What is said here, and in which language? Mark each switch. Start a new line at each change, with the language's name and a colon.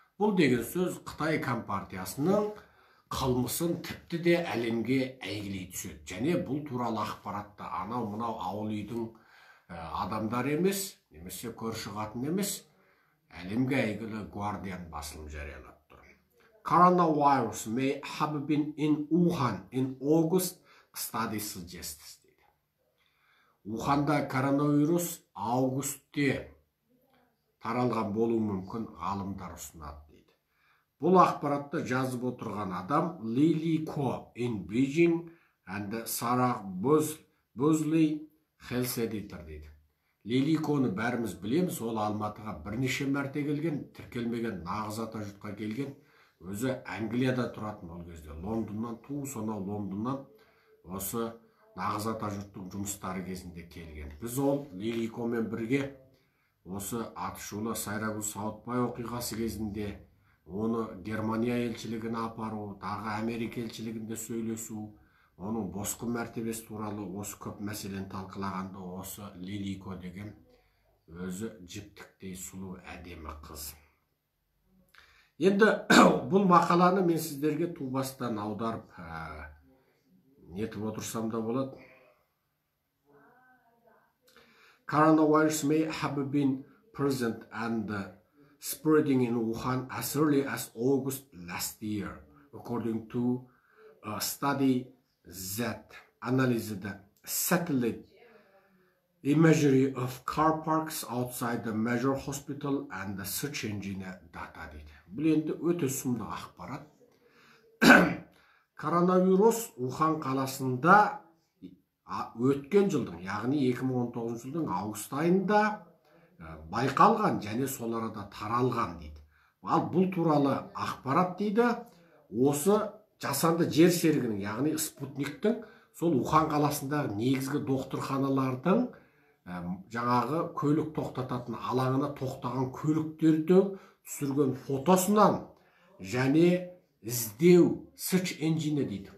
Kazakh: Бұл деген сөз Қытай компартиясының қылмысын тіпті де әлемге әйгілей түседі. Және бұл туралы ақпаратты анау мынау ауыл үйдің адамдары емес, немесе көрші қатын емес, әлемге әйгілі Guardian басылым жариялап тұр.
English: Coronavirus may have been in Wuhan in August, study suggests.
Kazakh: Уханда коронавирус августте таралған болуы мүмкін, ғалымдар ұсынады дейді. Бұл ақпаратты жазып отырған адам
English: Lily Ko in Beijing and Sarah Bosley health editor
Kazakh: дейді. Лили Коны бәріміз білеміз, ол Алматыға бірнеше мәрте келген, тіркелмеген нағыз ата жұртқа келген, өзі Англияда тұратын ол кезде, Лондоннан туыс, сонау Лондоннан осы нағыз ата жұрттың жұмыстары кезінде келген. Біз ол Лили Комен бірге осы атышулы Сайрагус Саутбай оқиғасы кезінде оны Германия елшілігіне апару, тағы Америка елшілігінде сөйлесу, оның босқын мәртебесі туралы осы көп мәселен талқылағанда осы Лили Ко деген өзі жіптіктей сұлу әдемі қыз. Енді бұл мақаланы мен сіздерге тубастан аударып нетіп отырсам да болады.
English: Coronavirus may have been present and spreading in Wuhan as early as August last year, according to a study Z analyzed satellite imagery of car parks outside the major hospital and the search engine data
Kazakh: дейді. Бұл енді өте сұмды ақпарат. Коронавирус Ухан қаласында өткен жылдың, яғни 2019 жылдың август айында байқалған және сол арада таралған дейді. Ал бұл туралы ақпарат дейді осы жасанды жер серігінің, яғни спутниктің сол Ухан қаласындағы негізгі докторханалардың жаңағы көлік тоқтататын алаңына тоқтаған көліктерді түсірген фотосынан және іздеу
English: search engine
Kazakh: дейді.